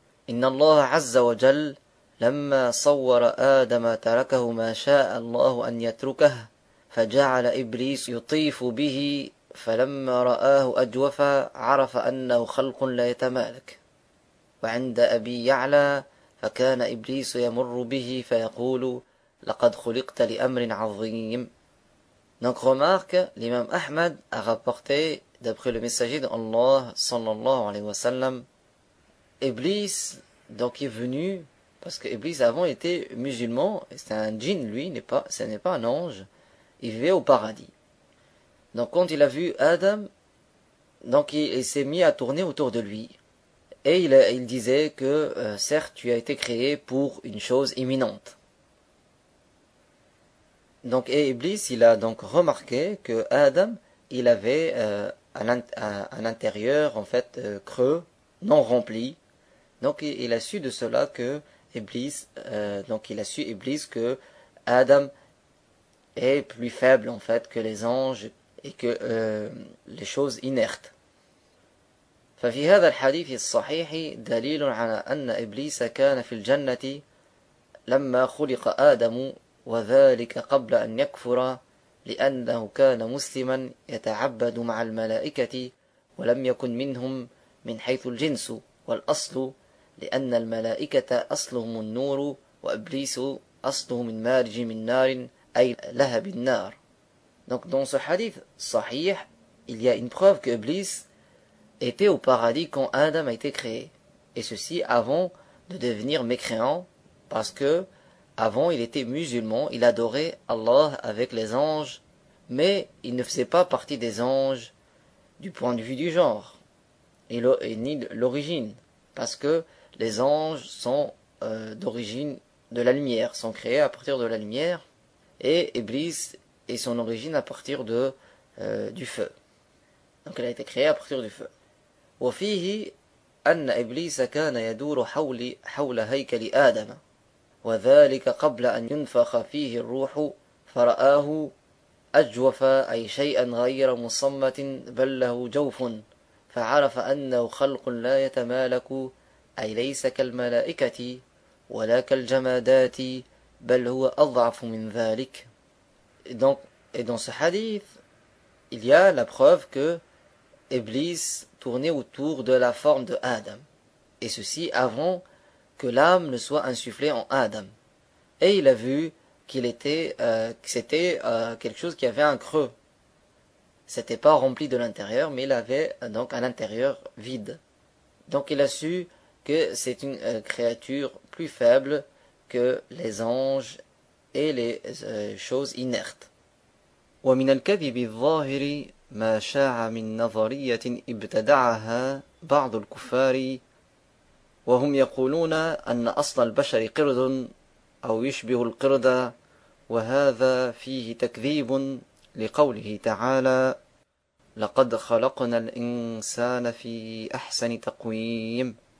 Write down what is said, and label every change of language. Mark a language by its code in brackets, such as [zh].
[ar] إن الله عز وجل لما صور آدم تركه ما شاء الله أن يتركه فجعل إبليس يطيف به فلما رآه أجوفا عرف أنه خلق لا يتمالك وعند أبي يعلى فكان إبليس يمر به فيقول لقد خلقت لأمر عظيم. [fr] Donc remarque, l'imam Ahmad a rapporté d'après le messager d'Allah صلى الله عليه وسلم Iblis, donc, est venu, parce que Iblis avant était musulman, c'est un djinn, lui, ce n'est pas un ange, il vivait au paradis. Donc, quand il a vu Adam, donc, il s'est mis à tourner autour de lui. Et il disait que, certes, tu as été créé pour une chose imminente. Donc, et Iblis, il a donc remarqué que Adam, il avait un intérieur, en fait, creux, non rempli. Donc il a su de cela que Iblis, donc il a su Iblis que Adam est plus faible en fait que les anges et que les choses inertes. [ar] ففي هذا الحديث الصحيح دليل على أن إبليس كان في الجنة لما خلق آدم وذلك قبل أن يكفر لأنه كان مسلما يتعبد مع الملائكة ولم يكن منهم من حيث الجنس والأصل. لأن الملائكة أصلهم النور وإبليس أصلهم من مارج من نار أي لهب النار. [fr] Donc dans ce hadith sahih, il y a une preuve que Iblis était au paradis quand Adam a été créé, et ceci avant de devenir mécréant, parce que Avant, il était musulman, il adorait Allah avec les anges, mais il ne faisait pas partie des anges du point de vue du genre, et ni de l'origine, parce que les anges sont d'origine de la lumière, sont créés à partir de la lumière, et Iblis est son origine à partir de du feu. Donc elle a été créée à partir du feu. [ar] وفيه أن إبليس كان يدور حول هيكل آدم وذلك قبل أن ينفخ فيه الروح فرآه أجوف أي شيئا غير مصمت بل له جوف فعرف أنه خلق لا يتمالك أي ليس كالملائكة ولا كالجمادات بل هو أضعف من ذلك. [fr] Et dans ce hadith, il y a la preuve que Iblis tournait autour de la forme de Adam, et ceci avant que l'âme ne soit insufflée en Adam. Et il a vu qu'il était, que c'était quelque chose qui avait un creux. C'était pas rempli de l'intérieur, mais il avait donc un intérieur vide. Donc il a su que c'est une créature plus faible que les anges et les choses inertes. [ar] ومن الكذب الظاهر ما شاع من نظرية ابتدعها بعض الكفار وهم يقولون أن أصل البشر قرد أو يشبه القرد وهذا فيه تكذيب لقوله تعالى لقد خلقنا الإنسان في أحسن تقويم.